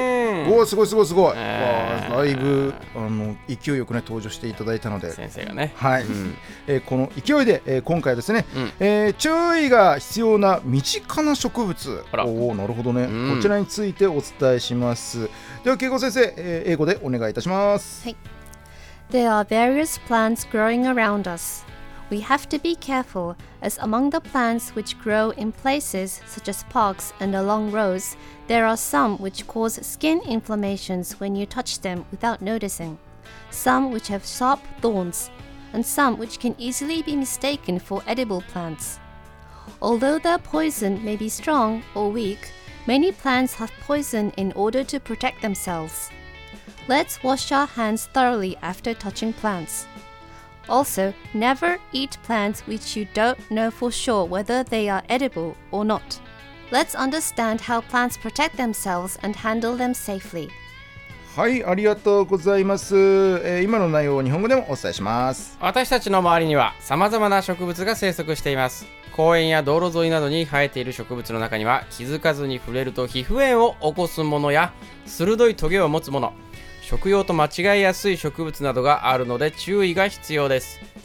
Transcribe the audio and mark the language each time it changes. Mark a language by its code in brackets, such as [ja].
[ja] おー、すごいすごいすごい。だいぶ勢いよくね、登場していただいたので先生がね、はい、うん、この勢いで、今回ですね、うん、注意が必要な身近な植物。あら、おー、なるほどね、うん、こちらについてお伝えします。では恵子先生、英語でお願いいたします。 [en] はい。There are various plants growing around us. We have to be careful, as among the plants which grow in places such as parks and along roads, there are some which cause skin inflammations when you touch them without noticing, some which have sharp thorns, and some which can easily be mistaken for edible plants. Although their poison may be strong or weak, many plants have poison in order to protect themselves. Let's wash our hands thoroughly after touching plants. Also, never eat plants which you don't know for sure whether they are edible or not. Let's understand how plants protect themselves and handle them safely. [ja] はい、ありがとうございます、今の内容を日本語でもお伝えします。私たちの周りには様々な植物が生息しています。公園や道路沿いなどに生えている植物の中には、気づかずに触れると皮膚炎を起こすものや鋭いトゲを持つもの、食用と間違いやすい植物などがあるので注意が必要です。